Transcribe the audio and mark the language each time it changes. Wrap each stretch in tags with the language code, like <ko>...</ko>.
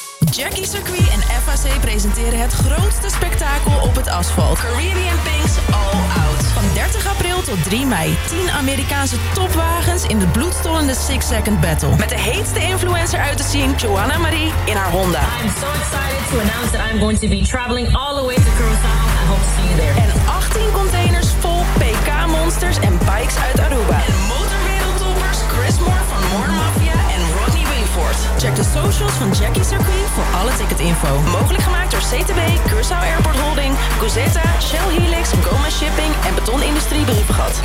<nl>Jackie Circuit en FAC presenteren het grootste spektakel op het asfalt. Caribbean Pace All Out. Van 30 april tot 3 mei. 10 Amerikaanse topwagens in de bloedstollende 6-second battle. Met de heetste influencer uit te zien, Joanna Marie, in haar Honda.</nl> <en>I'm so excited to announce that I'm going to be traveling all the way to Curaçao. I hope to see you there.</en> <nl>En 18 containers vol PK-monsters en bikes uit Aruba. En motorwereldtoppers Chris Moore van Moore Mafia en Rodney Wingfort. Check de socials van Jackie Circuit. Alle ticketinfo. Mogelijk gemaakt door CTB, Curaçao Airport Holding, Guzeta, Shell Helix, Goma Shipping en Beton Industrie Brievengat.</nl>